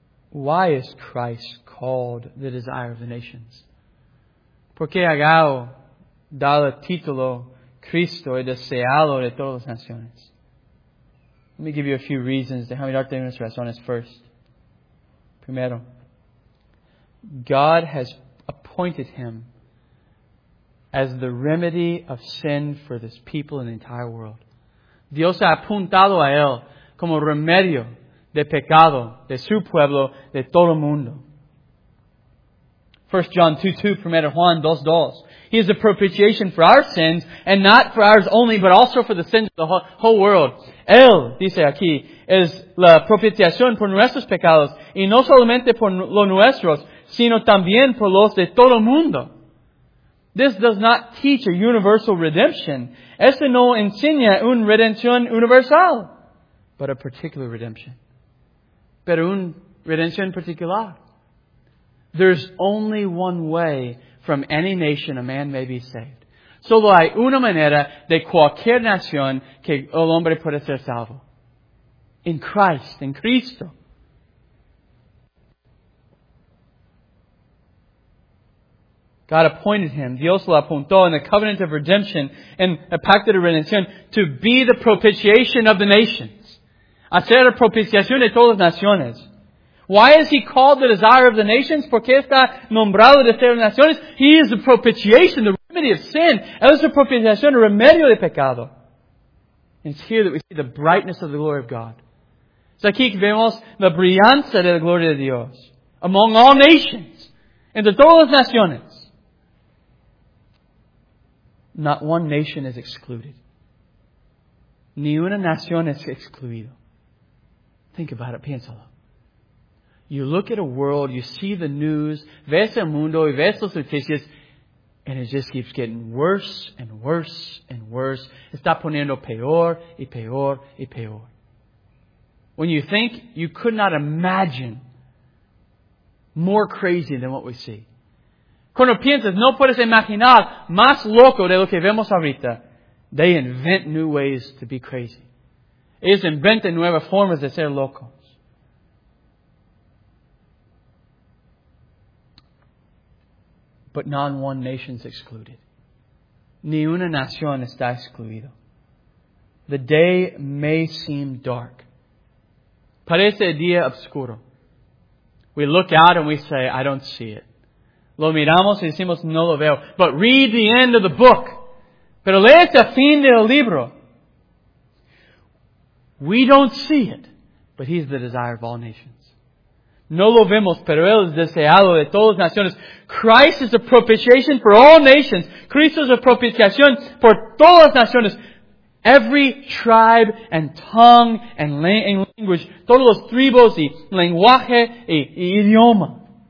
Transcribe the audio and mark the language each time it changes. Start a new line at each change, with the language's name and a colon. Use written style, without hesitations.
English: Why is Christ called the desire of the nations?
Spanish: ¿Por qué Agao da el título Cristo y deseado de todas las naciones?
English: Let me give you a few reasons.
Spanish: Déjame darte unas razones
English: first. Primero, God has appointed him as the remedy of sin for this people and the entire world.
Spanish: Dios ha apuntado a él como remedio de pecado de su pueblo, de todo el mundo.
English: 1 John 2:2,
Spanish: primero Juan 2:2.
English: He is the propitiation for our sins, and not for ours only, but also for the sins of the whole world.
Spanish: Él, dice aquí, es la propiciación por nuestros pecados, y no solamente por los nuestros, sino también por los de todo el mundo.
English: This does not teach a universal redemption.
Spanish: Esto no enseña una redención universal,
English: but a particular redemption.
Spanish: Pero un redención particular.
English: There's only one way from any nation a man may be saved.
Spanish: Solo hay una manera de cualquier nación que el hombre puede ser salvo.
English: In Christ, in Cristo. God appointed him,
Spanish: Dios lo apuntó,
English: in the covenant of redemption, in the
Spanish: pacto de redención,
English: to be the propitiation of the nation.
Spanish: Hacer la propiciación de todas las naciones.
English: Why is he called the desire of the nations?
Spanish: ¿Por qué está nombrado el deseo de las naciones?
English: He is the propitiation, the remedy of sin.
Spanish: Él es la propiciación, el remedio de pecado.
English: And it's here that we see the brightness of the glory of God.
Spanish: Es aquí que vemos la brillanza de la gloria de Dios.
English: Among all nations.
Spanish: Entre todas las naciones.
English: Not one nation is excluded.
Spanish: Ni una nación es excluida.
English: Think about it, piénsalo. You look at a world, you see the news,
Spanish: ves el mundo y ves las noticias,
English: and it just keeps getting worse and worse and worse.
Spanish: Está poniendo peor y peor y peor.
English: When you think you could not imagine more crazy than what we see.
Spanish: Cuando piensas, no puedes imaginar más loco de lo que vemos ahorita.
English: They invent new ways to be crazy.
Spanish: Ellos inventan nuevas formas de ser locos.
English: But not one nation is excluded.
Spanish: Ni una nación está excluida.
English: The day may seem dark.
Spanish: Parece el día oscuro.
English: We look out and we say, I don't see it.
Spanish: Lo miramos y decimos, no lo veo.
English: But read the end of the book.
Spanish: Pero lee hasta el fin del libro.
English: We don't see it, but He is the desire of all nations.
Spanish: No lo vemos, pero Él es deseado de todas las naciones.
English: Christ is the propitiation for all nations.
Spanish: Cristo es la propiciación por todas las naciones.
English: Every tribe and tongue and language,
Spanish: todos los tribos y lenguaje y idioma.